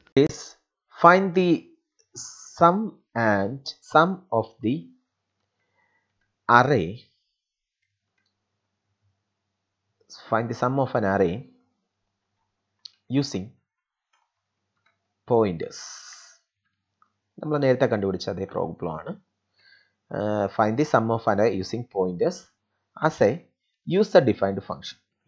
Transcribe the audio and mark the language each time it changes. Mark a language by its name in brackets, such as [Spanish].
[English] Yes, find the sum and sum of the array, find the sum of an array using pointers. [Malayalam] നമ്മൾ നേരത്തെ കണ്ടുപിടിച്ച അതേ problem ആണ്. [English] Find the sum of an array using pointers as a user defined function.